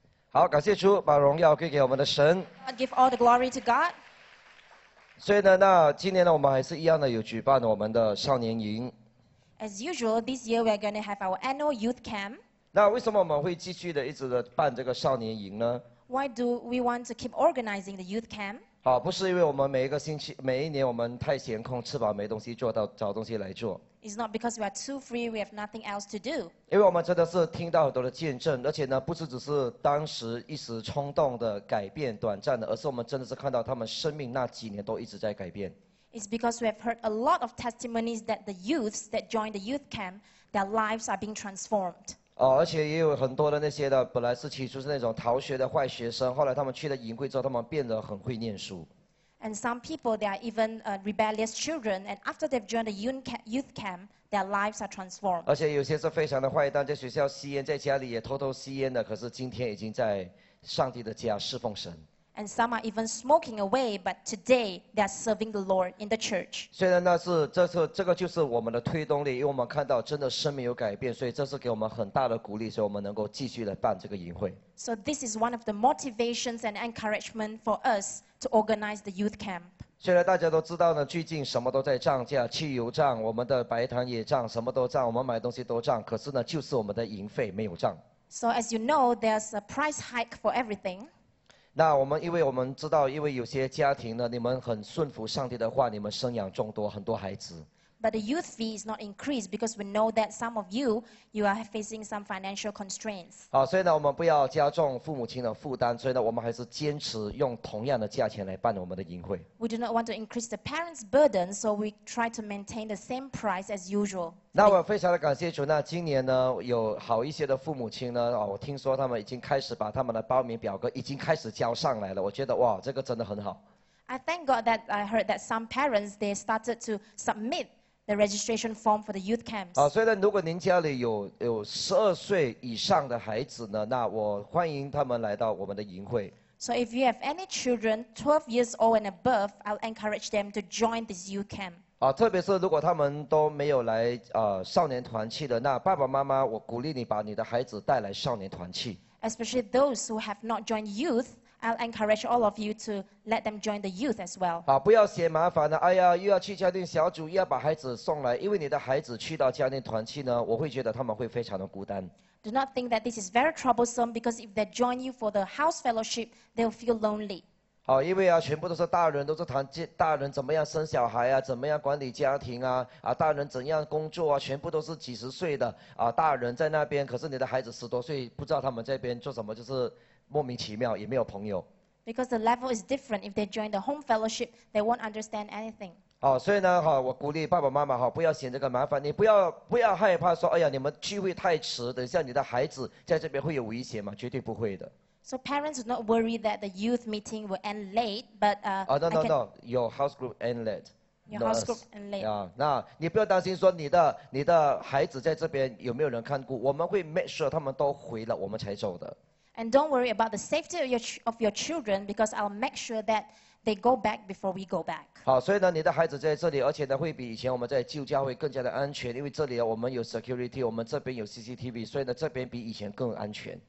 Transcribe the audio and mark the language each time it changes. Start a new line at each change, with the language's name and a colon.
Chinese: 好，感谢主，把荣耀归给我们的神。
English: Give all the glory to God.
Chinese: 所以呢，那今年呢，我们还是一样的有举办我们的少年营。
English: As usual, this year we are going to have our annual youth camp.
Chinese: 那为什么我们会继续的一直的办这个少年营呢
English: ？Why do we want to keep organizing the youth camp?
Chinese: 好，不是因为我们每一个星期、每一年我们太闲空、吃饱没东西做到找东西来做。
English: It's not because we are too free, we have nothing else to do.
Chinese: 因为我们真的是听到很多的见证，而且呢，不是只是当时一时冲动的改变、短暂的，而是我们真的是看到他们生命那几年都一直在改变。
English: It's because we have heard a lot of testimonies that the youths that joined the youth camp, their lives are being transformed.
Chinese: 而且也有很多的那些的，本来是起初是那种逃学的坏学生，后来他们去了营会之后，他们变得很会念书。
English: And some people, they are even rebellious children. And after they've joined the youth camp, their lives are transformed.
Chinese: 而且有些是非常的坏蛋，在学校吸烟，在家里也偷偷吸烟的。可是今天已经在上帝的家侍奉神。
English: And some are even smoking away, but today they are serving the Lord in the church.
Chinese: 虽然那是这是这个就是我们的推动力，因为我们看到真的生命有改变，所以这是给我们很大的鼓励，所以我们能够继续来办这个营会。
English: So this is one of the motivations and encouragement for us to organize the youth camp.
Chinese: 虽然大家都知道呢，最近什么都在涨价，汽油涨，我们的白糖也涨，什么都涨，我们买东西都涨，可是呢，就是我们的营费没有涨。
English: So as you know, there's a price hike for everything.
Chinese: 那我们因为我们知道，因为有些家庭呢，你们很顺服上帝的话，你们生养众多，很多孩子。
English: But the youth fee is not increased because we know that some of you, you are facing some financial constraints.
Chinese: 好，所以呢，我们不要加重父母亲的负担，所以呢，我们还是坚持用同样的价钱来办我们的营会。
English: We do not want to increase the parents' burden, so we try to maintain the same price as usual.
Chinese: 那我非常的感谢主。那今年呢，有好一些的父母亲呢，哦，我听说他们已经开始把他们的报名表格已经开始交上来了。我觉得哇，这个真的很好。
English: I thank God that I heard that some parents they started to submit. The registration form for the youth camps.
Chinese: 所以呢，如果您家里有12岁以上的孩子呢，那我欢迎他们来到我们的营会。
English: So if you have any children 12 years old and above, I'll encourage them to join this youth camp.
Chinese: 特别是如果他们都没有来少年团契的，那爸爸妈妈，我鼓励你把你的孩子带来少年团契。
English: Especially those who have not joined youth. I'll encourage all of you to let them join the youth as well.
Chinese: 好，不要嫌麻烦了。哎呀，又要去家庭小组，又要把孩子送来，因为你的孩子去到家庭团契呢，我会觉得他们会非常的孤单。
English: Do not think that this is very troublesome because if they join you for the house fellowship, they'll feel lonely.
Chinese: 好，因为啊，全部都是大人，都是谈大人怎么样生小孩啊，怎么样管理家庭啊，大人怎样工作啊，全部都是几十岁的大人在那边，可是你的孩子十多岁，不知道他们这边做什么，就是。莫名其妙，也没有朋友。
English: Because the level is different. If they join the home fellowship, they won't understand anything.
Chinese: 所以呢，我鼓励爸爸妈妈不要嫌这个麻烦，你不要害怕说，哎呀，你们聚会太迟，等一下你的孩子在这边会有危险吗？绝对不会的。
English: So parents do not worry that the youth meeting will end late, but your house group end late. Your house group end late.
Chinese: 那你不要担心说你的孩子在这边有没有人看顾，我们会
English: make sure
Chinese: 他们都回了，我们才走的。
English: And don't worry about the safety of your children because I'll make sure that they go back before we go back.
Chinese: 好，所以呢，你的孩子在这里，而且呢，会比以前我们在旧教会更加的安全，因为这里我们有 security， 我们这边有 CCTV， 所以呢，这边比以前更安全。